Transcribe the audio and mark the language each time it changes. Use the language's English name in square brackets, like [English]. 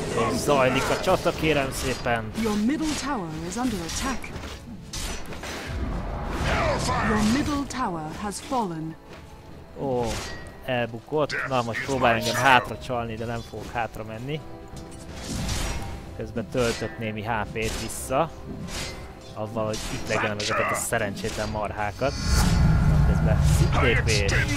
[Hungarian] És zajlik a csata, kérem szépen. [English] Your middle tower is under attack. Hellfire. Your middle tower has fallen. [Hungarian] Ó, elbukott. Na most próbál engem hátra csalni, de nem fogok hátra menni. Közben töltött némi HP-t vissza. Azzal, hogy itt legyenem ezeket a szerencsétlen marhákat. Közben szintépés.